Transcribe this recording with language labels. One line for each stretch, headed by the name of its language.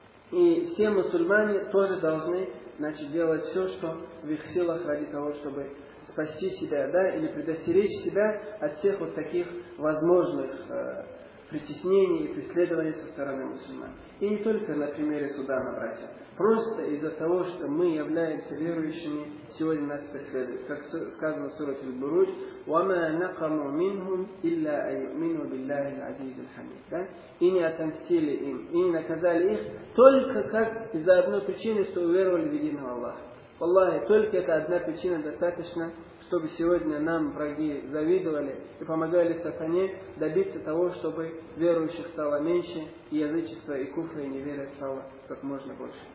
Russian: И все мусульмане тоже должны, значит, делать все, что в их силах ради того, чтобы спасти себя, да, или предостеречь себя от всех вот таких возможных притеснений и преследований со стороны мусульман. И не только на примере Судана, братья. Просто из-за того, что мы являемся верующими, сегодня нас преследуют. Как сказано в сурате Аль-Буруджь,
Arabic: وَمَا نَقَمُوا مِنْهُمْ إِلَّا أَيُؤْمِنُوا بِاللَّهِ الْعَزِيزِ الْحَمِيدِ.
Russian: Да? И не отомстили им, и не наказали их, только как из-за одной причины, что уверовали в единого Аллаха. Аллах, только эта одна причина достаточно, чтобы сегодня нам враги завидовали и помогали сатане добиться того, чтобы верующих стало меньше, и язычество, и куфры, и неверие стало как можно больше.